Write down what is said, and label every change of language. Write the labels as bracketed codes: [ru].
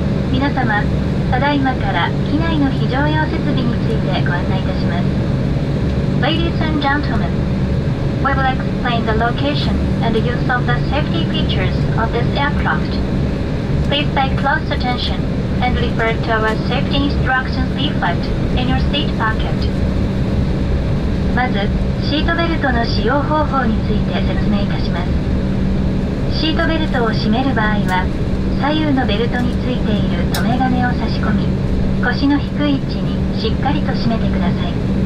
[ja] 皆様、ただいまから機内の非常用設備についてご案内いたします。 [en] Ladies and gentlemen, we will explain the location and the use of the safety features of this aircraft. Please pay close attention and refer to our safety instructions leaflet in your seat pocket. [ja] まず、シートベルトの使用方法について説明いたします。シートベルトを締める場合は、左右のベルトについている留め金を差し込み、腰の低い位置にしっかりと締めてください。